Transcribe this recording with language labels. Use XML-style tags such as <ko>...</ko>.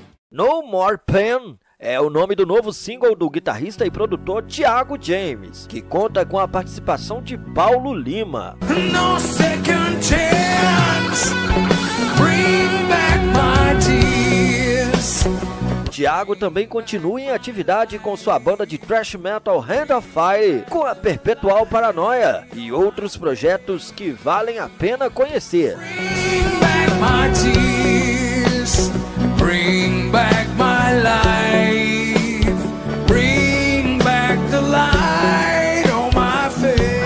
<pt>No More Pain é o nome do novo single do guitarrista e produtor Thiago James, que conta com a participação de Paulo Lima.</pt> <en>No second chance, bring back my tears.</en> <pt>Thiago também continua em atividade com sua banda de thrash metal Hand of Fire, com a Perpetual Paranoia e outros projetos que valem a pena conhecer.</pt> <en>Bring back my tears. Bring back my life, bring back the light on my face.</en>